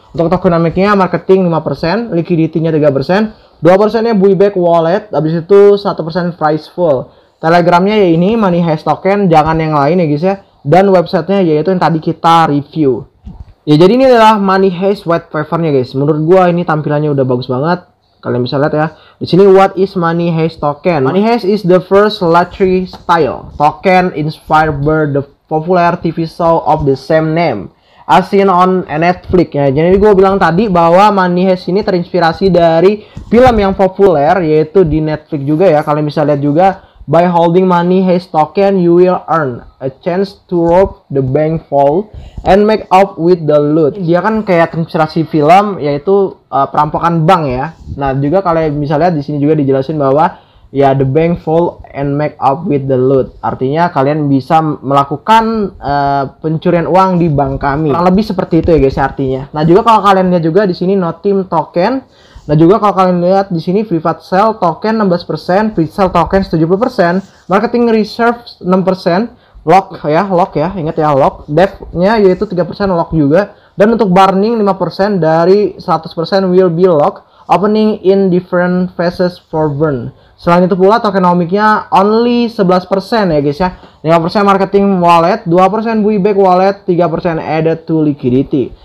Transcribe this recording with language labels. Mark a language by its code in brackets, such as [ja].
[id] Untuk tokenomics-nya marketing 5%, liquidity-nya 3%, 2%-nya buyback wallet, habis itu 1% price full. Telegram-nya ya ini money hash token, jangan yang lain ya, guys, ya. Dan website-nya yaitu yang tadi kita review. Ya, jadi ini adalah Money Heist white paper-nya, guys. Menurut gua ini tampilannya udah bagus banget. Kalian bisa lihat ya. Di sini what is Money Heist token? [en] Money Heist is the first luxury style token inspired by the popular TV show of the same name as seen on Netflix ya. [id] Jadi gua bilang tadi bahwa Money Heist ini terinspirasi dari film yang populer yaitu di Netflix juga ya. [en] Kalian bisa lihat juga, by holding Money Heist token, you will earn a chance to rob the bank vault and make up with the loot. [id] Dia kan kayak inspirasi film, yaitu perampokan bank ya. Nah, juga kalian bisa lihat di sini juga dijelasin bahwa ya the bank vault and make up with the loot. Artinya kalian bisa melakukan pencurian uang di bank kami. Kurang lebih seperti itu ya, guys, artinya. Nah, juga kalau kalian lihat juga di sini no team token. Nah, juga kalau kalian lihat di sini private sale token 16%, pre-sale token 70%, marketing reserve 6%, lock ya, ingat ya lock. Dev-nya yaitu 3% lock juga, dan untuk burning 5% dari 100% will be lock, opening in different phases for burn. Selain itu pula tokenomics-nya only 11% ya, guys, ya. [en] 5% marketing wallet, 2% buyback wallet, 3% added to liquidity.